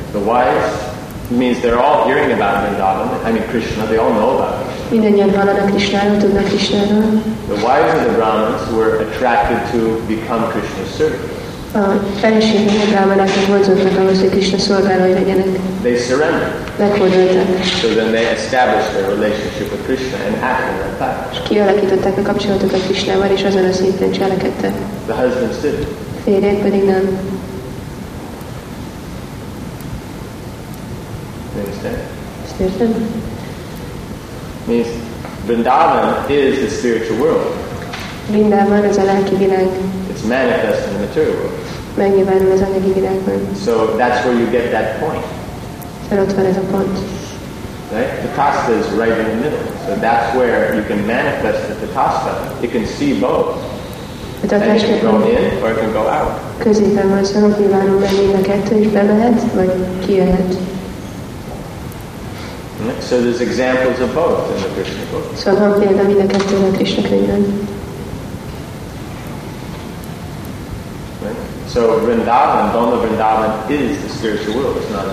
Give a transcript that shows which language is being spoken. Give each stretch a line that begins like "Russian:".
English: The wise means they're all hearing about Vrindavan. I mean Krishna, they all know about Krishna.
Hungarian: Mindannyian hallanak Krishnáról, tudnak Krishnáról.
English: The wise of the Brahmins were attracted to become Krishna's servants.
Hungarian: A feleségek a Brahmanáknak vonzódtak ahhoz, hogy Krishna szolgálói legyenek.
English: They surrendered.
Hungarian: Meghódoltak.
English: So then they established their relationship with Krishna and acted like that.
Hungarian: És kialakították a kapcsolatokat Krishnával, és azon a szinten cselekedtek.
English: The husbands did.
Hungarian: Férjek pedig nem. Ezt értem?
English: Means Vrindavan is the spiritual world.
Hungarian: Vrindavan az a lelki világ.
English: It's manifest in the material world.
Hungarian: Megnyilvánul az anyagi világban.
English: So that's where you get that point.
Hungarian: Szóval ott van ez a pont.
English: Right? Tathasta is right in the middle. So that's where you can manifest the Tathasta. You can see both.
Hungarian: Tehát
English: it can go in or it can go out.
Hungarian: Középen van, szóval ott nyilvánul be mind a kettő, és bemehet, vagy kijöhet.
English: So there's examples of both in the Krishna book.
Hungarian: Szóval van példa mind a kettőn a Krishna könyvben.
English: So Vrindavan, Dhamma Vrindavan is the spiritual world, it's not